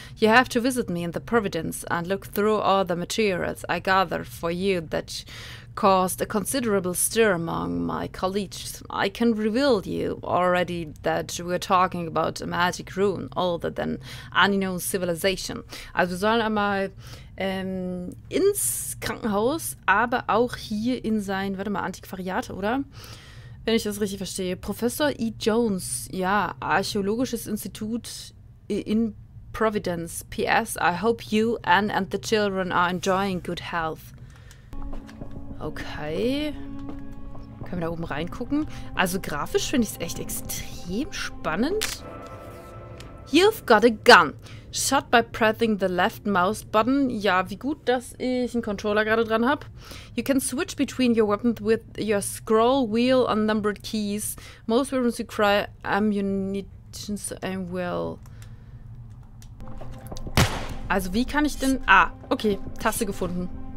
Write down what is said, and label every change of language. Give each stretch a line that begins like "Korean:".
English: You have to visit me in the Providence and look through all the materials I gathered for you that caused a considerable stir among my colleagues. I can reveal you already that we're talking about a magic rune older than any known civilization.
German: Also wir sollen einmal ins Krankenhaus, aber auch hier in sein, warte mal, Antiquariat, oder? Wenn ich das richtig verstehe. Professor E. Jones, ja, Archäologisches Institut in Providence. P.S.
English: I hope you and the children are enjoying good health.
German: Okay. Können wir da oben reingucken? Also grafisch finde ich es echt extrem spannend.
English: You've got a gun. Shot by pressing the left mouse button.
German: Ja, wie gut, dass ich einen Controller gerade dran habe.
English: You can switch between your weapons with your scroll wheel and numbered keys. Most weapons require ammunition to aim well.
German: Also wie kann ich denn... Ah, okay. Taste gefunden.